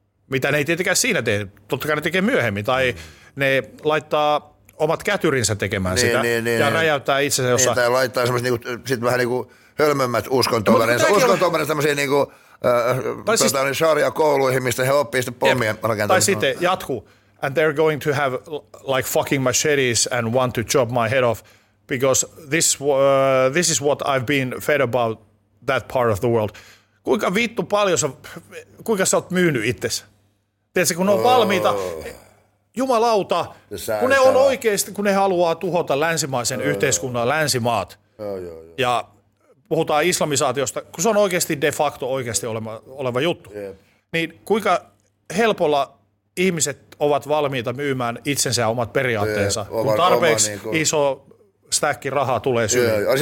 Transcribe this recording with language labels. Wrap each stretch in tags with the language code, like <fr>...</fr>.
<fi>Mitä ne ei tietenkään siinä tee. Totta kai ne tekee myöhemmin. Tai ne laittaa omat kätyrinsä tekemään niin, sitä. Niin, ja räjäyttää itsensä jossain. Niin, tai laittaa semmoisen niin sit vähän niin kuin hölmömmät uskontovereensa. Uskontovereensa tämmöisiä niin kuin sharia kouluihin, mistä he oppii sitten pommien rakentamiseen. Tai sitten jatkuu.</fi> <en>And they're going to have like fucking machetes and want to chop my head off. Because this is what I've been fed about that part of the world.</en> <fi>Kuinka vittu paljon kuinka sä oot myynyt itsesi? Tiedätkö, kun ne on valmiita, jumalauta, kun ne on oikeasti, kun ne haluaa tuhota länsimaisen yhteiskunnan, länsimaat, ja puhutaan islamisaatiosta, kun se on oikeasti de facto oikeasti oleva juttu, niin kuinka helpolla ihmiset ovat valmiita myymään itsensä ja omat periaatteensa, kun tarpeeksi iso stäkki rahaa tulee syyn.</fi>